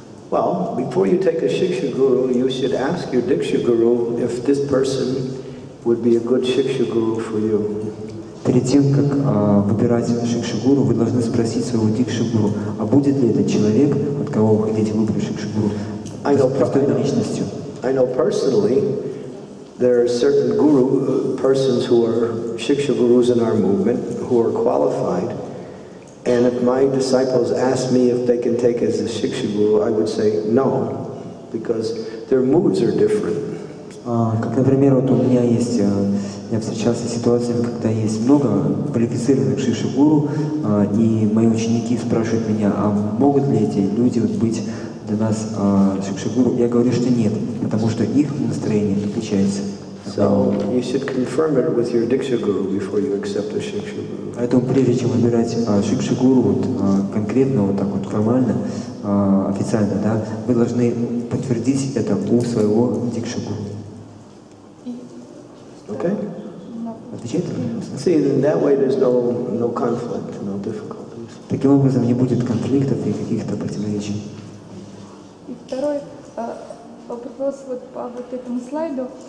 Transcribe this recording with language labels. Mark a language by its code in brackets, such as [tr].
[en] Well, before you take a Shikshaguru, you should ask your Dikshaguru if this person would be a good Shikshaguru for you. [ru] Перед тем, как выбирать Шикшигуру, вы должны спросить своего Дикшигуру, а будет ли этот человек, от кого вы хотите выбрать Шикшигуру, достойной личностью? [en] I know personally, there are certain guru persons who are Shikshagurus in our movement, who are qualified, and if my disciples ask me if they can take as a Shikshaguru, I would say no, because their moods are different. [ru] Как, например, вот у меня есть, я встречался с ситуациями, когда есть много квалифицированных шикшигуру, и мои ученики спрашивают меня, а могут ли эти люди вот быть для нас шикшигуру? Я говорю, что нет, потому что их настроение отличается. [en] So you should confirm it with your dikshaguru before you accept a shikshaguru. [ru] Поэтому прежде чем выбирать шикшигуру вот, конкретно вот так вот формально, официально, да, вы должны подтвердить это у своего дикшигуру. Okay. Отвечает? [en] See, in that way there's no conflict, no difficulties. [ru] Таким образом не будет конфликтов и каких-то противоречий. И второй вопрос вот по вот этому слайду.